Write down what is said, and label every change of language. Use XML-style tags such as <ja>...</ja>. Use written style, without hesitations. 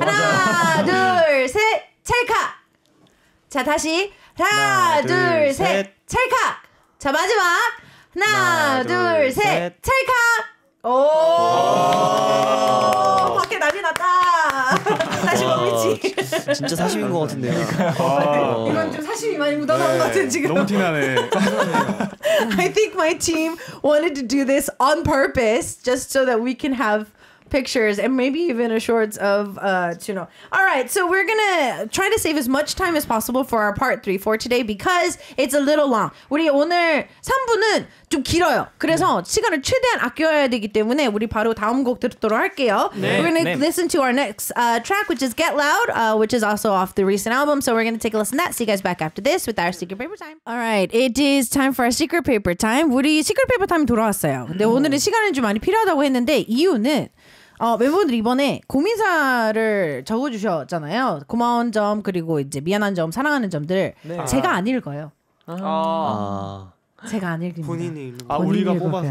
<ko>자, 하나, 둘, 셋, 찰칵. 자, 다시 하나, 둘, 셋, 찰칵. 자, 마지막 하나, 둘, 셋, 찰칵. 오, 밖에 난리 났다. 사심 진짜 사심인 것 같은데요. 이건 좀 사심이 많이 묻어나온 네, 것 같은 지금. 너무 티나네.</ko> <en>I think my team wanted to do this on purpose just so that we can have pictures and maybe even a shorts of Chuno. All right, so we're gonna try to save as much time as possible for our part 3 for today because it's a little long.</en> <ko>우리 오늘 3부는 좀 길어요. 그래서 네. 시간을 최대한 아껴야 되기 때문에 우리 바로 다음 곡 듣도록 할게요. 네.</ko> <en>We're gonna listen to our next track, which is Get Loud, which is also off the recent album. So we're gonna take a listen to that. See you guys back after this with our Secret Paper Time. All right, it is time for our Secret Paper Time.</en> <ko>우리 Secret Paper Time 돌아왔어요. 근데 오늘은 시간은 좀 많이 필요하다고 했는데 이유는 멤버들 이번에 고민사를 적어주셨잖아요. 고마운 점 그리고 이제 미안한 점 사랑하는 점들 네. 제가 안 읽어요. 제가 안 읽는다. 본인이 읽는 거. 아 본인이 우리가 읽을 뽑아서</ko>